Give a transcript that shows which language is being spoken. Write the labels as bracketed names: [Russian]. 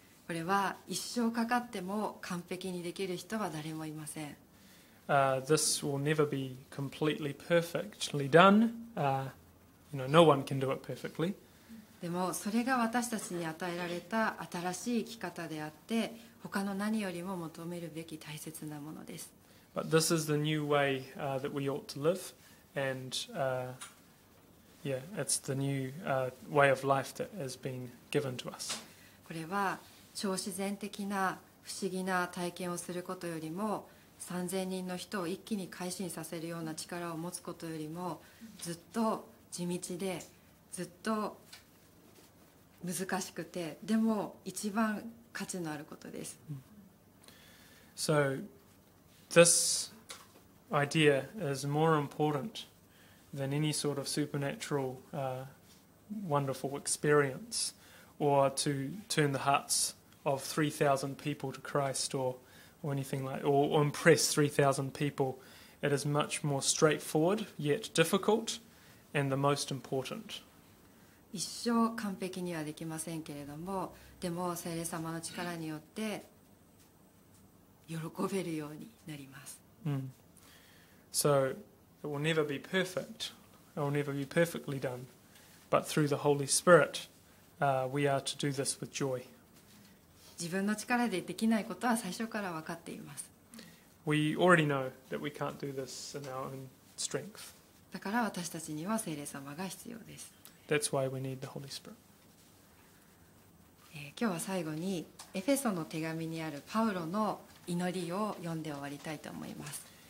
[Japanese] これは一生かかっても完璧にできる人は誰もいません。 [English] This will never be completely perfectly done. No one can do it perfectly. [Japanese] でもそれが私たちに与えられた新しい生き方であって、他の何よりも求めるべき大切なものです。 [English] But this is the new way that we ought to live, and it's the new way of life that has been given to us. [Japanese] これは超自然的な不思議な体験をすることよりも、3000人の人を一気に改心させるような力を持つことよりも、ずっと地道で、ずっと難しくて、でも一番価値のあることです。 [English] So,This idea is more important than any sort of supernatural, wonderful experience, or to turn the hearts of 3,000 people to Christ, or anything like, or impress 3,000 people. It is much more straightforward, yet difficult, and the most important. [Japanese] 一生完璧にはできませんけれども、でも聖霊様の力によって。喜べるようになります。 [English] So it will never be perfect. It will never be perfectly done. But through the Holy Spirit, we are to do this with joy. [Japanese] 自分の力でできないことは最初から分かっています。 [English] We already know that we can't do this in our own strength. [Japanese] だから私たちには聖霊様が必要です。 [English] That's why we need the Holy Spirit. [Japanese] 今日は最後にエフェソの手紙にあるパウロの祈りを読んで終わりたいと思います。